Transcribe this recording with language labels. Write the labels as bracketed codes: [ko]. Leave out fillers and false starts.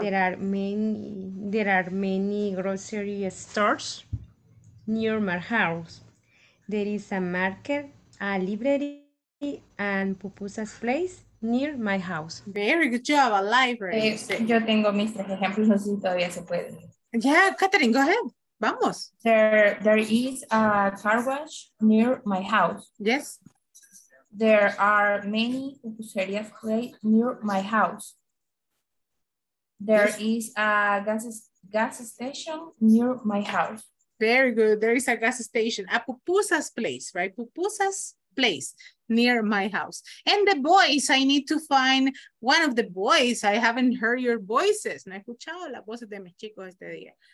[en] There are many grocery stores near my house. There is a market, a library, and pupusas place near my house. Very good job, a library. [es] Yo tengo mis tres ejemplos, no sé si todavía se puede. [en] Yeah, Catherine, go ahead. [es] Vamos. [en] There is a car wash near my house. Yes. There are many pupuserias place near my house. There is a gas station near my house. Very good. There is a gas station, a pupusas place, right? Pupusas place near my house. And the boys, I need to find one of the boys. I haven't heard your voices. [es] No he escuchado las voces de mis chicos este día.